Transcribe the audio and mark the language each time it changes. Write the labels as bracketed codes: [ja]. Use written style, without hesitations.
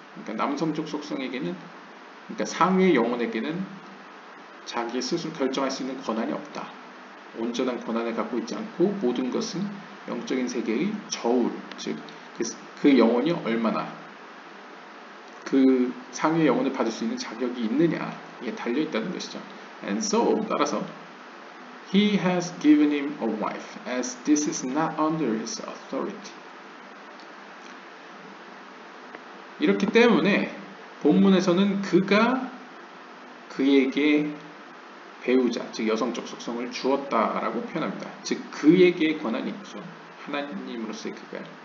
[ko] 그러니까 남성적 속성에게는, 그러니까 상위의 영혼에게는 자기 스스로 결정할 수 있는 권한이 없다. 온전한 권한을 갖고 있지 않고 모든 것은 영적인 세계의 저울, 즉 그 영혼이 얼마나 그 상위의 영혼을 받을 수 있는 자격이 있느냐에 달려 있다는 것이죠. [en] And so, [ko] 따라서 [en] He has given him a wife, as this is not under his authority. [ko] 이렇기 때문에 본문에서는 그가 그에게 배우자, 즉 여성적 속성을 주었다라고 표현합니다. 즉 그에게 권한이 없죠. 하나님으로서의 그가.